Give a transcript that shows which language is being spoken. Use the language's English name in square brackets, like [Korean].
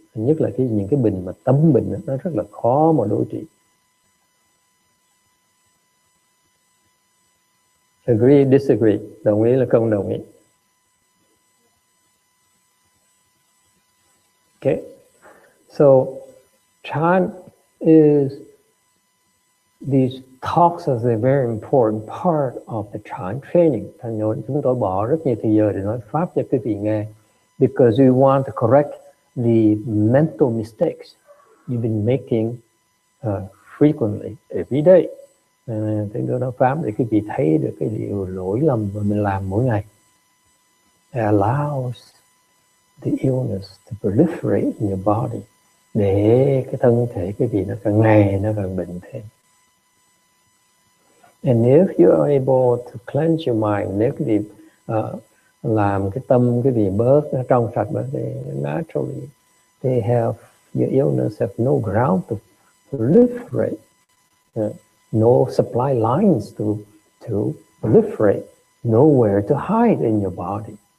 [Vietnamese] nhất là cái những cái bệnh mà tâm bệnh đó, nó rất là khó mà đối trị. [English] Agree, disagree, [Vietnamese] đồng ý là không đồng ý. [English] Okay, so chant is these talks are a very important part of the chant training. [Vietnamese] Thành ra chúng tôi bỏ rất nhiều thời giờ để nói pháp cho quý vị nghe, [English] because we want to correct the mental mistakes you've been making frequently every day. [Vietnamese] Thành ra nói pháp để quý vị thấy được cái điều lỗi lầm mà mình làm mỗi ngày. [English] It allows the illness to proliferate in your body. [Vietnamese] Để cái thân thể quý vị nó càng ngày nó càng bệnh thêm. [English] And if you are able to cleanse your mind, [Vietnamese] nếu quý vị làm cái tâm quý vị bớt, nó trong sạch bớt, [English] naturally, they have, your illness have no ground to proliferate, no supply lines to proliferate, nowhere to hide in your body.